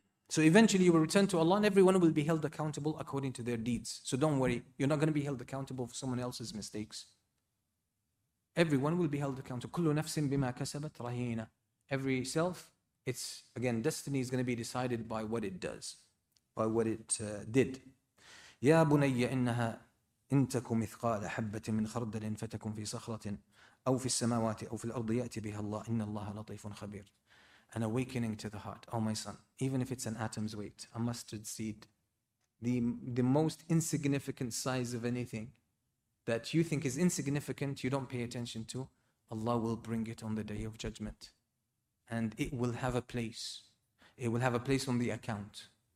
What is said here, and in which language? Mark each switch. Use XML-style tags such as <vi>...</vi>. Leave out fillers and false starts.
<en>So eventually you will return to Allah and everyone will be held accountable according to their deeds. So don't worry, you're not going to be held accountable for someone else's mistakes. Everyone will be held accountable.</en> <ar>كُلُّ نَفْسٍ بِمَا كَسَبَتْ رَهِينَ.</ar> <en>Every self, it's again, destiny is going to be decided by what it does, by what it did.</en> <ar>يَا بُنَيَّ إِنَّهَا إِن تَكُ مِثْقَالَ حَبَّةٍ مِّنْ خَرْدَلٍ فَتَكُمْ فِي صَخْرَةٍ أو في السماوات أو في الأرض يأتي بها الله إن الله لطيف خبير.</ar> <en>An awakening to the heart, oh my son, even if it's an atom's weight, a mustard seed, the most insignificant size of anything that you think is insignificant, you don't pay attention to, Allah will bring it on the day of judgment. And it will have a place. It will have a place on the account.</en>